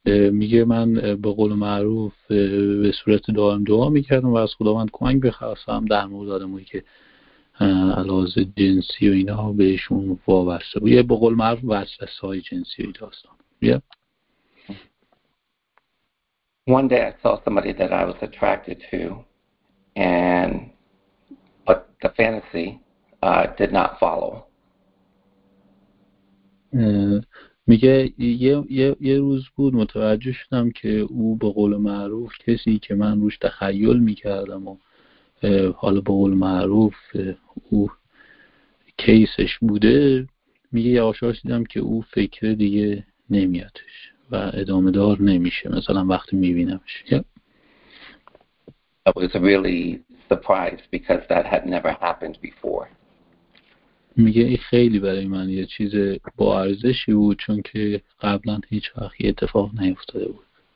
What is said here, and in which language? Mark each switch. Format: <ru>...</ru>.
<fa>میگه من به قول معروف به صورت دائم دعا میکردم و از خداوند کمک بخواستم در مورد آدمایی که علاوه جنسی و اینا بهشون وابسته بود. یه به قول معروف وسوسه‌های جنسی و داستان.</fa> <en>Yeah. One day I saw somebody that I was attracted to and but the fantasy did not follow.</en> <fa>میگه یه روز بود متوجه شدم که او به قول معروف کسی که من روش تخیل میکردم و حالا به قول معروف او کیسش بوده. میگه یواش دیدم که او فکر دیگه نمیادش و ادامه دار نمیشه مثلا وقتی میبینمش.</fa> <en>I was really surprised because that had never happened before.</en> <fa>میگه این خیلی برای من یه چیز با ارزشی بود چون که قبلا هیچ وقت یه اتفاق نیفتاده بود.</fa>